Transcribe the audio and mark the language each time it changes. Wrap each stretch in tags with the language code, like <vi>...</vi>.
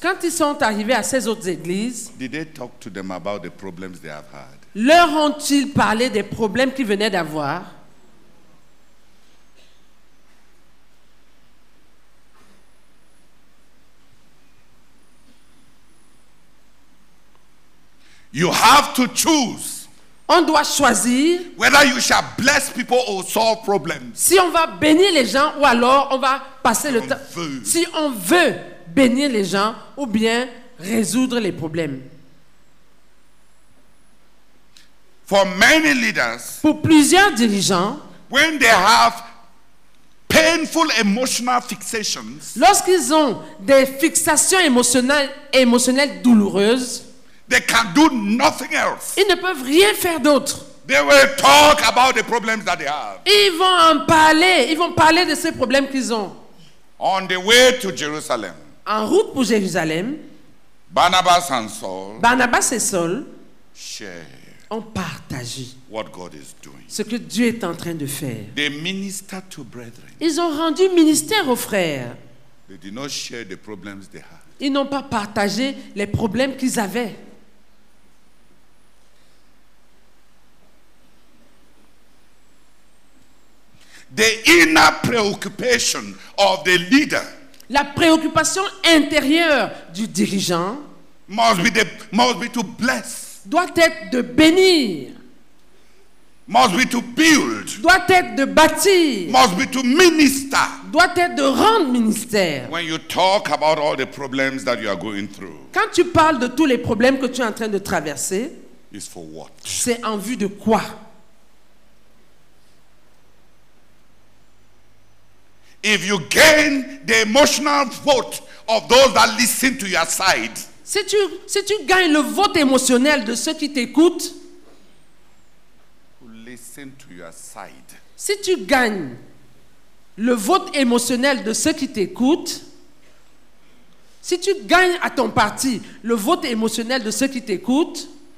<fr>quand ils sont arrivés à ces autres églises,</fr> <en>did they talk to them about the problems they have had?</en> <fr>Leur ont-ils parlé des problèmes qu'ils venaient d'avoir?</fr> <en>You have to choose.</en> <fr>On doit choisir.</fr> <en>Whether you shall bless people or solve problems.</en> <fr>Si on va bénir les gens ou alors on va passer le temps. Si on veut bénir les gens ou bien résoudre les problèmes.</fr> <en>For many leaders.</en> <fr>Pour plusieurs dirigeants.</fr> <en>When they have painful emotional fixations.</en> <fr>Lorsqu'ils ont des fixations émotionnelles douloureuses.</fr> <en>They can do nothing else.</en> <fr>Ils ne peuvent rien faire d'autre.</fr> <en>They will talk about the problems that they have.</en> <fr>Ils vont en parler. Ils vont parler de ces problèmes qu'ils ont.</fr> <en>On the way to Jerusalem.</en> <fr>En route pour Jérusalem.</fr> <en>Barnabas and Saul.</en> <fr>Barnabas et Saul.</fr> <en>Share.</en> <fr>Ont partagé.</fr> <en>What God is doing.</en> <fr>Ce que Dieu est en train de faire.</fr> <en>They minister to brethren.</en> <fr>Ils ont rendu ministère aux frères.</fr> <en>They did not share the problems they had.</en> <fr>Ils n'ont pas partagé les problèmes qu'ils avaient.</fr> <en>The inner preoccupation of the leader.</en> <fr>La préoccupation intérieure du dirigeant</fr> <en>must be to bless.</en> <fr>Doit être de bénir.</fr> <en>Must be to build.</en> <fr>Doit être de bâtir.</fr> <en>Must be to minister.</en> <fr>Doit être de rendre ministère.</fr> <en>When you talk about all the problems that you are going through.</en> <fr>Quand tu parles de tous les problèmes que tu es en train de traverser.</fr> <en>Is for what?</en> <fr>C'est en vue de quoi?</fr> <en>If you gain the emotional vote of those that listen to your side.</en> <fr>Si tu gagnes le vote émotionnel de ceux qui t'écoutent.</fr> <en>Listen to your side.</en> <fr>Si tu gagnes le vote émotionnel de ceux qui t'écoutent, si tu gagnes à ton parti le vote émotionnel de ceux qui t'écoutent,</fr>